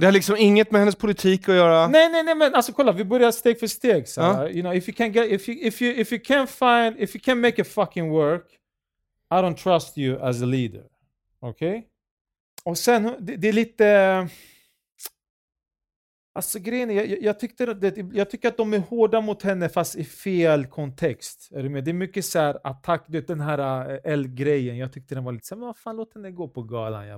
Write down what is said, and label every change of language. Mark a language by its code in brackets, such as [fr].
[sv] Det har liksom inget med hennes politik att göra. Nej, men alltså kolla, vi börjar steg för steg så. [en] You know, if you can make it fucking work, I don't trust you as a leader. [sv] Okej? Okay? Och sen det är lite alltså grejen är, jag tycker att de är hårda mot henne fast i fel kontext. Är du med? Det är mycket så här attack, du vet, den här L-grejen. Jag tyckte den var lite så här, men vad fan, låt henne gå på galan. Ja.